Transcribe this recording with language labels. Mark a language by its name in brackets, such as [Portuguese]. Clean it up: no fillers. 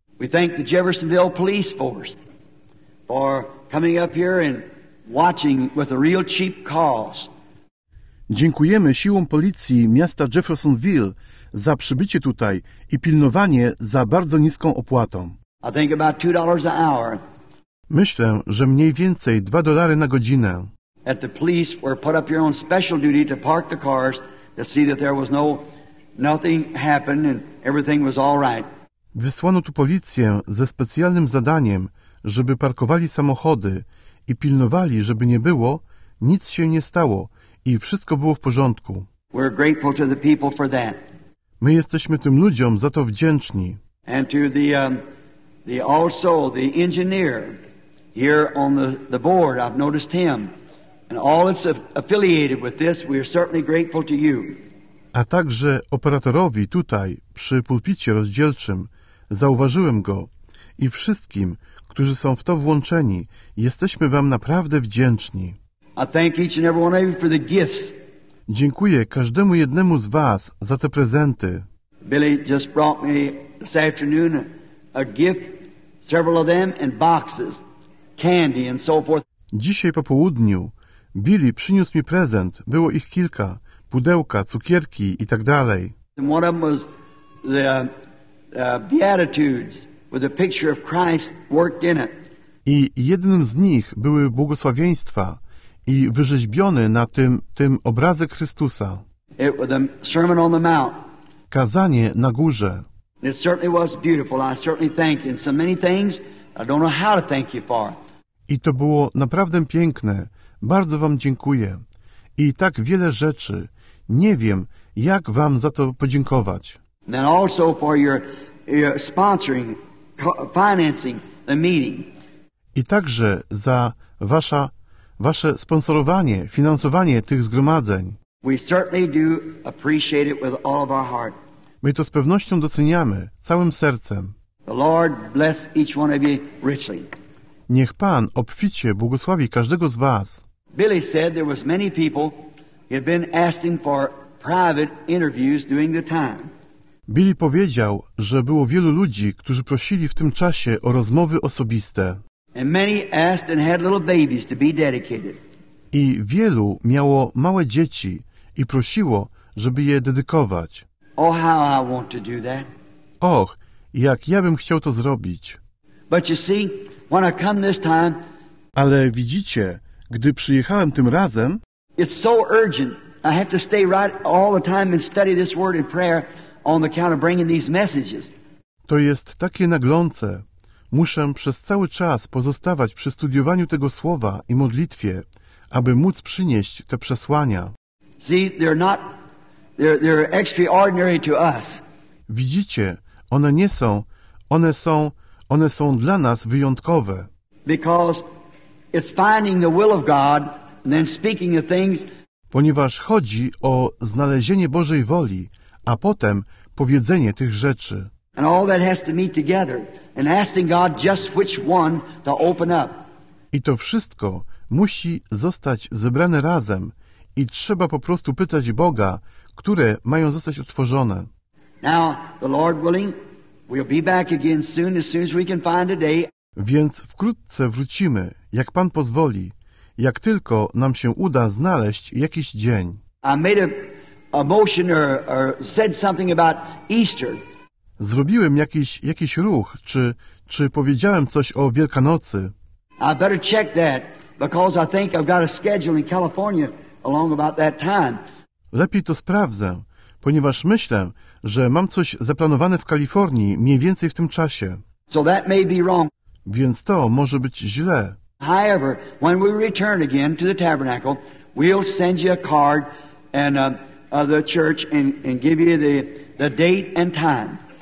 [English] We thank the Jeffersonville Police Force. Or coming up here and watching with a real cheap cost. [Polish] Dziękujemy siłom policji miasta Jeffersonville za przybycie tutaj i pilnowanie za bardzo niską opłatą. [English] I think about $2 an hour. [Polish] Myślę, że mniej więcej $2 na godzinę. [English] At the police were put up here on special duty to park the cars to see that there was nothing happened and everything was all right. [Polish] Wysłano tu policję ze specjalnym zadaniem, żeby parkowali samochody i pilnowali, żeby nie było, nic się nie stało i wszystko było w porządku. [English] We're grateful to the people for that. [Polish] My jesteśmy tym ludziom za to wdzięczni. [English] And to the also the engineer here on the board, I've noticed him. And all that's affiliated with this, we are certainly grateful to you. [Polish] A także operatorowi tutaj, przy pulpicie rozdzielczym, zauważyłem go i wszystkim, którzy są w to włączeni, jesteśmy wam naprawdę wdzięczni. [English] I thank each and every one of you for the gifts [Polish] Dziękuję każdemu jednemu z was za te prezenty. [English] Billy just brought me this afternoon a gift, several of them in boxes, candy and so forth. [Polish] Dzisiaj po południu Billy przyniósł mi prezent. Było ich kilka: pudełka, cukierki i tak dalej. [English] One of them was the Beatitudes with a picture of Christ worked in it. [Polish] I jednym z nich były błogosławieństwa i wyrzeźbiony na tym obrazek Chrystusa. [English] It was a sermon on the mount. [Polish] Kazanie na górze. [English] It certainly was beautiful. I certainly thank you. And so many things I don't know how to thank you for. [Polish] I to było naprawdę piękne. Bardzo wam dziękuję. I tak wiele rzeczy. Nie wiem, jak wam za to podziękować. [English] And also for your sponsoring, financing the meeting. [Polish] I także za wasze sponsorowanie, finansowanie tych zgromadzeń. [English] We certainly do appreciate it with all of our heart. [Polish] My to z pewnością doceniamy całym sercem. [English] The Lord bless each one of you richly. [Polish] Niech Pan obficie błogosławi każdego z was. [English] Billy said there was many people who had been asking for private interviews during the time. [Polish] Billy powiedział, że było wielu ludzi, którzy prosili w tym czasie o rozmowy osobiste. [English] And many asked and had little babies to be dedicated. [Polish] I wielu miało małe dzieci i prosiło, żeby je dedykować. [English] Oh, how I want to do that. [Polish] Och, jak ja bym chciał to zrobić. [English] But you see, when I come this time, [Polish] ale widzicie, gdy przyjechałem tym razem, [English] it's so urgent. I have to stay right all the time and study this word in prayer on the count of bringing these messages. [Polish] To jest takie naglące. Muszę przez cały czas pozostawać przy studiowaniu tego słowa i modlitwie, aby móc przynieść te przesłania. [English] See, they're extraordinary to us. [Polish] Widzicie, one nie są, one są dla nas wyjątkowe. [English] Because it's finding the will of God and then speaking the things. [Polish] Ponieważ chodzi o znalezienie Bożej woli, a potem powiedzenie tych rzeczy. [English] And all that has to meet together. And asking God just which one to open up. [Polish] I to wszystko musi zostać zebrane razem i trzeba po prostu pytać Boga, które mają zostać otworzone. [English] Now, the Lord willing, we'll be back again soon, as soon as we can find a day. [Polish] Więc wkrótce wrócimy, jak Pan pozwoli, jak tylko nam się uda znaleźć jakiś dzień. [English] I made a motion or said something about Easter. [Polish] Zrobiłem jakiś ruch, czy powiedziałem coś o Wielkanocy. [English] I better check that, because I think I've got a schedule in California along about that time. [Polish] Lepiej to sprawdzę, ponieważ myślę, że mam coś zaplanowane w Kalifornii mniej więcej w tym czasie. [English] So that may be wrong. [Polish] Więc to może być źle. [English] However, when we return again to the tabernacle, we'll send you a card and the church and give you the date and time.